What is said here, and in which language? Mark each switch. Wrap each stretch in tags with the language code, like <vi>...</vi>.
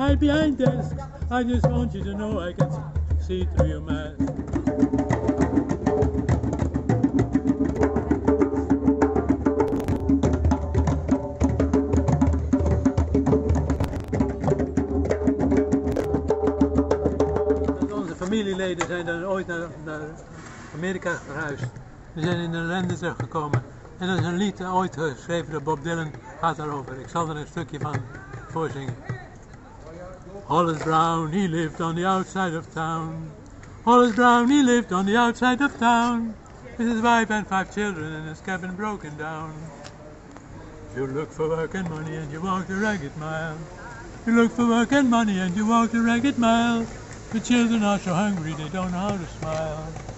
<en>I just want you to know I can see through your mask.</en> <nl>Onze familieleden zijn dan ooit naar Amerika verhuisd. We zijn in de ellende teruggekomen. En dat is een lied ooit geschreven door Bob Dylan. Gaat daarover. Ik zal er een stukje van voorzingen.</nl> <en>Hollis Brown, he lived on the outside of town. Hollis Brown, he lived on the outside of town. With his wife and five children and his cabin broken down. You look for work and money and you walk the ragged mile. You look for work and money and you walk the ragged mile. The children are so hungry they don't know how to smile.</en>